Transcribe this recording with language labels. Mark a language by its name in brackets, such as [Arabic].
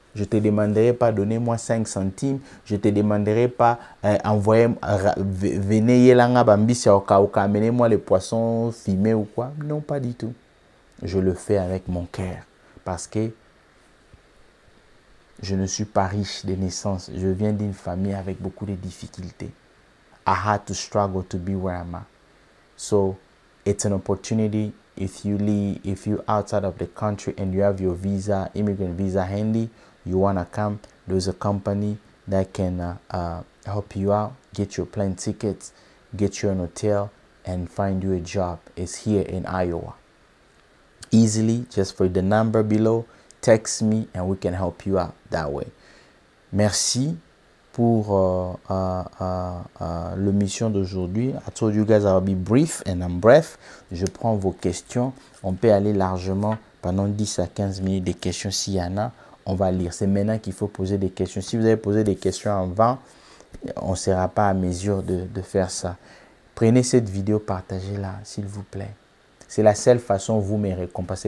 [French] Je ne te demanderai pas de donner moi 5 centimes. Je ne te demanderai pas envoyer, venez yelanga bambi, amenez-moi les poissons fumés ou quoi. Non, pas du tout. Je le fais avec mon cœur. Parce que je ne suis pas riche de naissance. Je viens d'une famille avec beaucoup de difficultés. [English] I had to struggle to be where I am. So, it's an opportunity if you're outside of the country and you have your visa, immigrant visa handy. You want to come, there's a company that can help you out, get your plane tickets, get you an hotel, and find you a job. It's here in Iowa. Easily, just for the number below, text me and we can help you out that way. Merci [French] pour le mission d'aujourd'hui. [English] I told you guys I will be brief and I'm brief. [French] Je prends vos questions. On peut aller largement pendant 10 à 15 minutes des questions s'il y en a. On va lire. C'est maintenant qu'il faut poser des questions. Si vous avez posé des questions avant, on ne sera pas à mesure de faire ça. Prenez cette vidéo, partagez-la, s'il vous plaît. C'est la seule façon où vous me récompensez.